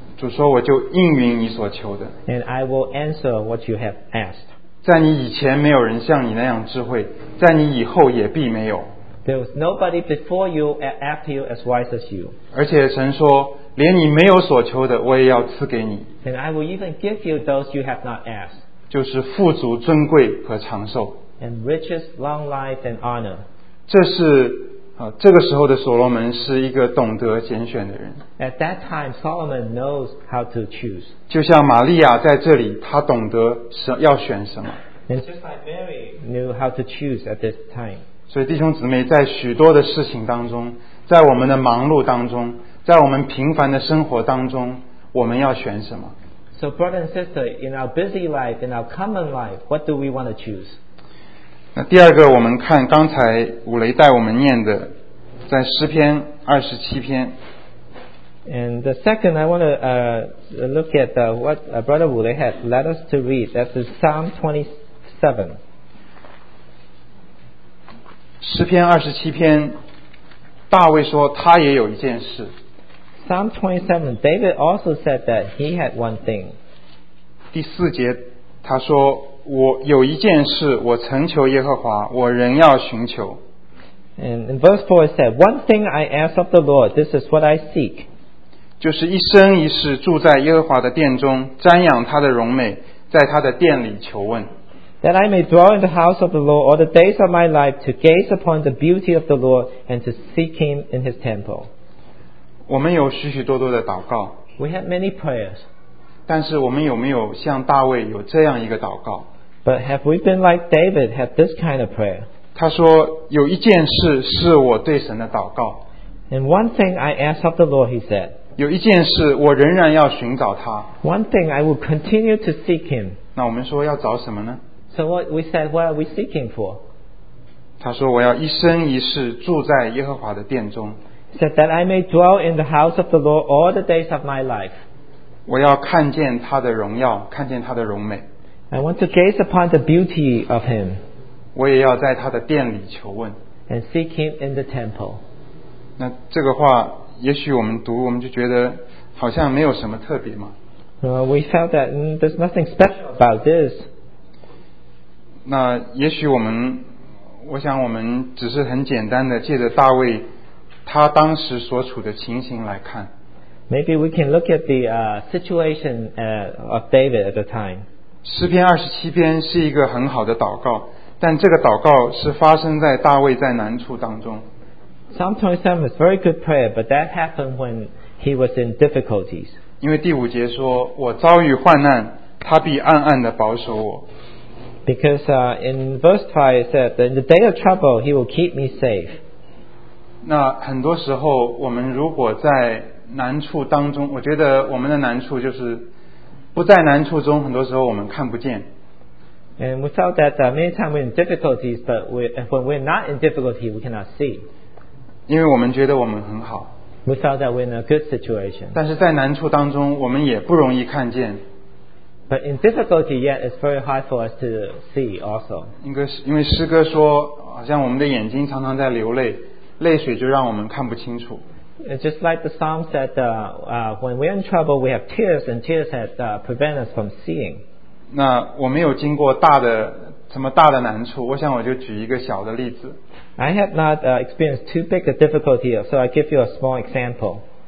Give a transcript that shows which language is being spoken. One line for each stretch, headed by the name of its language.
Chinese: 主说我就应允你所求的。
English: And I will answer what you have asked.
Chinese: 在你以前没有人像你那样智慧，在你以后也必没有。
English: There was nobody before you after you as wise as you.
Chinese: 而且神说，连你没有所求的，我也要赐给你。
English: And I will even give you those you have not asked.
Chinese: 就是富足、尊贵和长寿。
English: And riches, long life, and honor.
Chinese: 这是。这个时候的所罗门是一个懂得拣选的人。
English: At that time, Solomon knows how to choose.
Chinese: 就像玛利亚在这里，他懂得要选什么。
English: And just like Mary knew how to choose at this time.
Chinese: 所以弟兄姊妹，在许多的事情当中，在我们的忙碌当中，在我们平凡的生活当中，我们要选什么？
English: So brother and sister, in our busy life, in our common life, what do we want to choose?
Chinese: 那第二个我们看刚才武雷带我们念的在诗篇二十七篇
English: And the second I want to look at what Brother Wu Lei had led us to read That's Psalm 27
Chinese: 诗篇二十七篇大卫说他也有一件事
English: Psalm 27 David also said that he had one thing
Chinese: 第四节他说我有一件事我曾求耶和华我仍要寻求
English: And in verse 4 it said One thing I ask of the Lord This is what I seek
Chinese: 就是一生一世住在耶和华的殿中，瞻仰他的荣美，在他的殿里求问。
English: That I may dwell in the house of the Lord all the days of my life to gaze upon the beauty of the Lord and to seek Him in His temple.
Chinese: 我们有许许多多的祷告。
English: We have many prayers.
Chinese: 但是我们有没有像大卫有这样一个祷告？
English: But have we been like David, have this kind of prayer?
Chinese: 他说，有一件事是我对神的祷告。
English: And one thing I ask of the Lord, he said.
Chinese: 有一件事我仍然要寻找他。
English: One thing I will continue to seek Him.
Chinese: 那我们说要找什么呢？
English: So what we said, what are we seeking for?
Chinese: 他说我要一生一世住在耶和华的殿中。
English: Said that I may dwell in the house of the Lord all the days of my life.
Chinese: 我要看见他的荣耀，看见他的荣美。
English: I want to gaze upon the beauty of him.
Chinese: 我也要在他的殿里求问。
English: And seek him in the temple.
Chinese: 那这个话，也许我们读，我们就觉得好像没有什么特别嘛。
English: We felt that there's nothing special about this.
Chinese: 那也许我们，我想我们只是很简单的借着大卫他当时所处的情形来看。
English: Maybe we can look at the situation of David at the time.
Chinese: 诗篇二十七篇是一个很好的祷告，但这个祷告是发生在大卫在难处当中。
English: Psalm 27 is very good prayer, but that happened when he was in difficulties.
Chinese: 因为第五节说，我遭遇患难，他必暗暗的保守我。
English: Because in verse 5 it said that in the day of trouble he will keep me safe.
Chinese: 那很多时候我们如果在难处当中，我觉得我们的难处就是不在难处中，很多时候我们看不见。
English: And we felt that many times we're in difficulties, but when we're not in difficulty, we cannot see.
Chinese: 因为我们觉得我们很好。
English: We felt that we're in a good situation.
Chinese: 但是在难处当中，我们也不容易看见。
English: But in difficulty, yet it's very hard for us to see also.
Chinese: 因为诗歌说，好像我们的眼睛常常在流泪，泪水就让我们看不清楚。
English: It's just like the psalm said, when we're in trouble, we have tears, and tears that prevent us from seeing.
Chinese: 那我没有经过大的什么大的难处，我想我就举一个小的例子。
English: I have not experienced too big a difficulty, so I give you a small example.